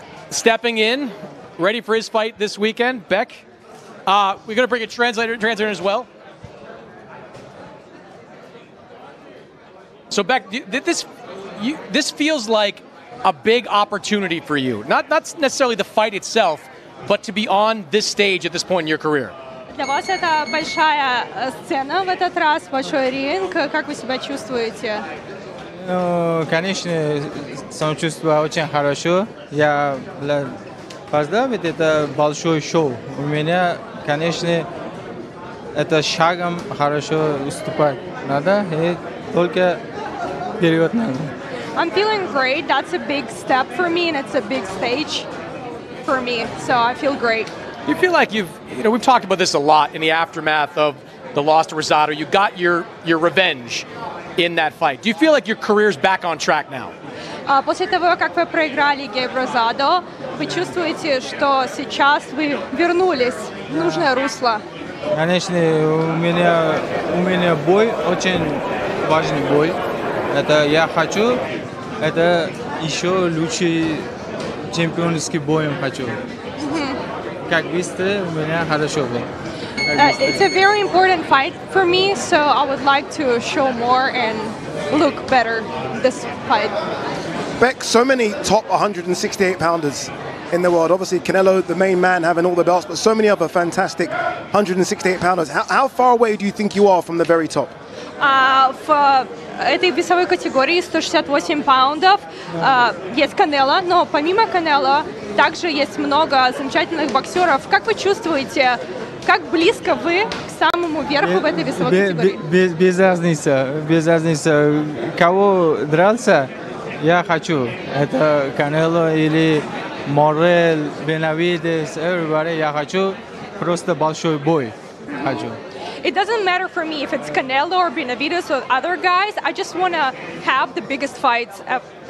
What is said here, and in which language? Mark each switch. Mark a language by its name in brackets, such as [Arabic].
[English] Stepping in, ready for his fight this weekend. Bek, we're going to bring a translator as well. So, Bek, this feels like a big opportunity for you. Not necessarily the fight itself, but to be on this stage at this point in your career. [Russian] Для вас это большая сцена в этот раз, большой ринг. Как вы себя чувствуете? Ну, конечно, самочувствие очень хорошо. Я поздравить это большое шоу. У меня, конечно, это шагом хорошо выступать надо, и только вперед надо. [English] I'm feeling great. That's a big step for me, and it's a big stage for me. So I feel great. You feel like we've talked about this a lot in the aftermath of the loss to Rosado. You got your revenge in that fight. Do you feel like your career's back on track now? [Russian] После того, как вы проиграли Гейб Розадо, вы чувствуете, что сейчас вы вернулись в нужное русло? Конечно, у меня бой, очень важный бой. Это я хочу, это еще лучший чемпионский бой хочу. [English] It's a very important fight for me, so I would like to show more and look better this fight. Bek, so many top 168 pounders in the world. Obviously, Canelo, the main man, having all the belts, but so many other fantastic 168 pounders. How far away do you think you are from the very top? For [Russian] этой весовой категории 168 паундов есть Канело, но помимо Канело также есть много замечательных боксеров. Как вы чувствуете, как близко вы к самому верху в этой весовой категории? Без разницы. Кого дрался, я хочу. Это Канело или Морел, Бенавидес, [English] everybody. [Russian] Я хочу просто большой бой. Хочу. [English] It doesn't matter for me if it's Canelo or Benavides or other guys. I just want to have the biggest fights ever.